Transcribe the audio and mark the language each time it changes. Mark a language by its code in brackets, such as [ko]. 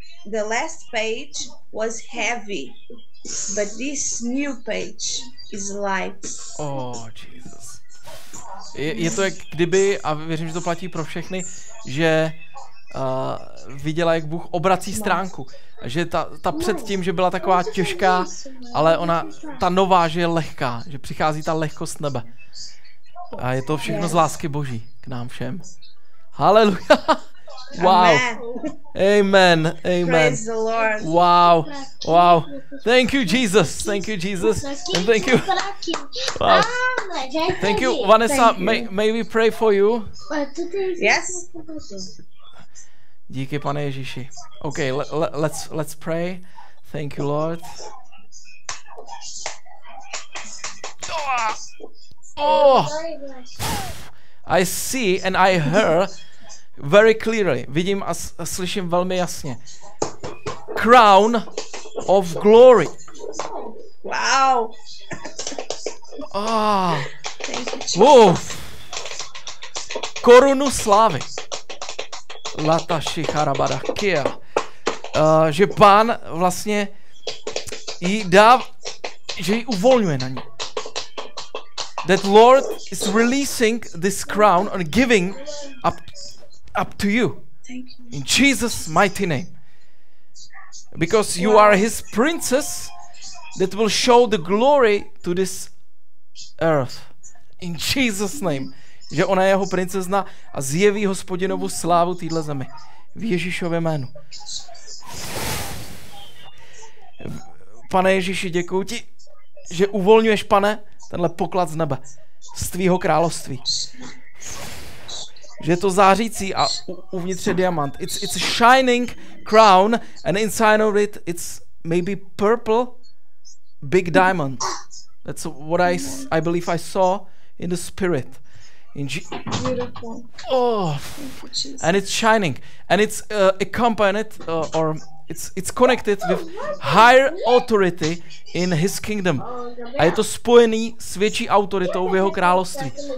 [en] The last page was heavy, but this new page is light. Oh Jesus. [cs] Je to jak kdyby, a věřím, že to platí pro všechny, že viděla, jak Bůh obrací stránku. Že ta předtím, že byla taková těžká, ale ona ta nová, že je lehká, že přichází ta lehkost nebe. A je to všechno z lásky Boží k nám všem. [en] Haleluja. Wow. Amen. Amen. Praise the Lord. Wow. Wow. Thank you, Jesus. Thank you, Jesus. And thank you. Wow. Thank you, Vanessa. May we pray for you? Yes. [cs] Díky, Pane Ježíši. [en] Okay, let's pray. Thank you, Lord. Oh, I see and I hear very clearly. [cs] Vidím a slyším velmi jasně. [en] Crown of glory. Wow. [cs] Ah. Oh. Korunu slávy. Lataši harabarakia. Že Pán vlastně jí dá, že jí uvolňuje na ní. [en] That Lord is releasing this crown and giving up to you. In Jesus' mighty name. Because you are His princess that will show the glory to this earth. In Jesus' name. [cs] Že ona je jeho princezna a zjeví Hospodinovu slávu téhle zemi. V Ježíšově jménu. Pane Ježíši, děkuju ti, že uvolňuješ, Pane, tenhle poklad z nebe, z tvýho království. Že je to zářící a uvnitř je diamant. [en] It's a shining crown and inside of it it's maybe purple big diamond. That's what I believe I saw in the spirit. Beautiful. And it's shining. And it's accompanied or it's connected with higher authority in His kingdom. [cs] A je to spojený s větší autoritou v jeho království.